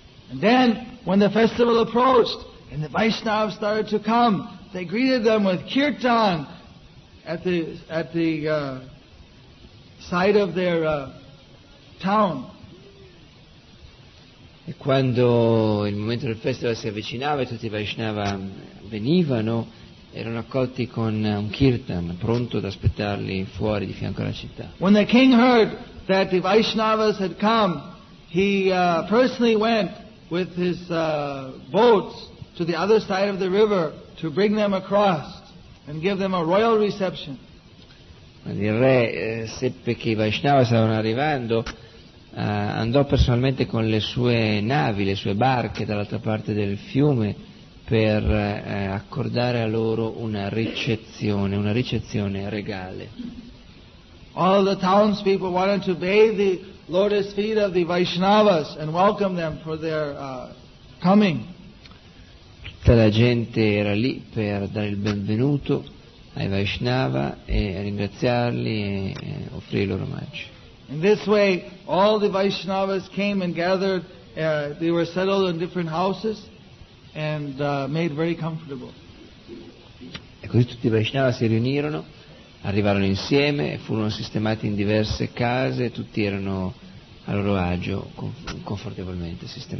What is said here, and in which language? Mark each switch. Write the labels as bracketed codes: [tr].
[en] And then, when the festival approached and the Vaishnavas started to come, they greeted them with kirtan at the side of their town. [it] E quando il momento del festival si avvicinava e tutti i Vaishnava venivano, erano accolti con un kirtan pronto ad aspettarli fuori di fianco alla città. [en] When the king heard that the Vaishnavas had come, he personally went with his boats to the other side of the river to bring them across and give them a royal reception. [it] Quando il re seppe che i Vaishnavas stavano arrivando, andò personalmente con le sue navi, le sue barche dall'altra parte del fiume per accordare a loro una ricezione regale. [en] All the townspeople wanted to bathe the lotus feet of the Vaishnavas and welcome them for their coming. [it] Tutta la gente era lì per dare il benvenuto ai Vaishnava e ringraziarli e offrire loro omaggi. [en] In this way, all the Vaishnavas came and gathered. They were settled in different houses and made very comfortable. [it] E così tutti i Vaishnava si riunirono. Arrivarono insieme, furono sistemati in diverse case, tutti erano a loro agio, confortevolmente sistemati.